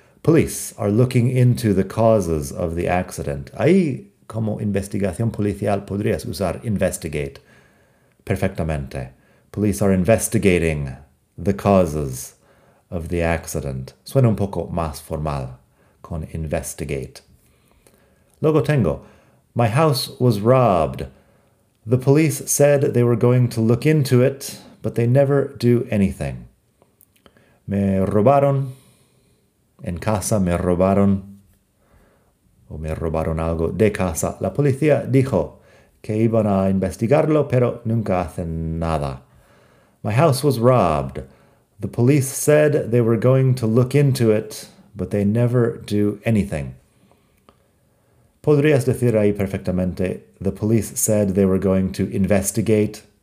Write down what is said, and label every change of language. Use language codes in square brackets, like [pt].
[en] Police are looking into the causes of the accident. [es] Ahí, como investigación policial, podrías usar investigate perfectamente. [en] Police are investigating the causes of the accident. [es] Suena un poco más formal con investigate. Luego tengo, [en] my house was robbed. The police said they were going to look into it, but they never do anything. [es] Me robaron. En casa me robaron, o me robaron algo de casa. La policía dijo que iban a investigarlo, pero nunca hacen nada. [en] My house was robbed. The police said they were going to look into it, but they never do anything. [es] Podrías decir ahí perfectamente, [en] the police said they were going to investigate.